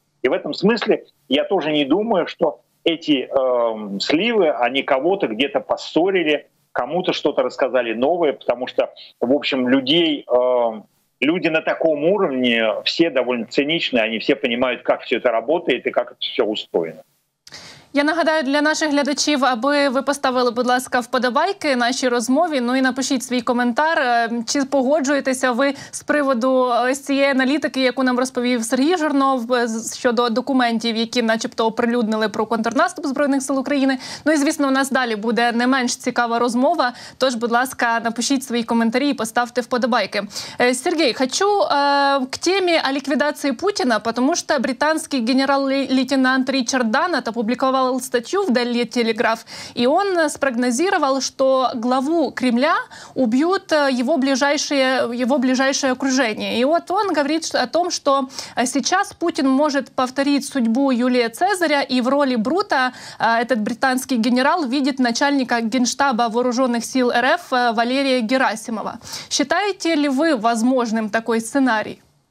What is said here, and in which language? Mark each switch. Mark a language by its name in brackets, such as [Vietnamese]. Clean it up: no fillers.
[Russian] И в этом смысле я тоже не думаю, что эти сливы, они кого-то где-то поссорили, кому-то что-то рассказали новое, потому что, в общем, люди на таком уровне все довольно циничны, они все понимают, как все это работает и как это все устроено. [Ukrainian] Я нагадаю для наших глядачів, аби ви поставили, будь ласка, вподобайки нашій розмові, ну і напишіть свій коментар, чи погоджуєтеся ви з приводу ось цієї аналітики, яку нам розповів Сергій Жорнов щодо документів, які начебто оприлюднили про контрнаступ Збройних сил України. Ну і, звісно, у нас далі буде не менш цікава розмова, тож, будь ласка, напишіть свої коментарі і поставте вподобайки. Сергій, хочу к темі о ліквідації Путіна, тому що британський генерал-лейтенант Річард Дана [Russian] опубликовал статью в Daily Telegraph, и он спрогнозировал, что главу Кремля убьют его ближайшее окружение. И вот он говорит о том, что сейчас Путин может повторить судьбу Юлия Цезаря, и в роли Брута этот британский генерал видит начальника генштаба вооруженных сил РФ Валерия Герасимова. Считаете ли вы возможным такой сценарий?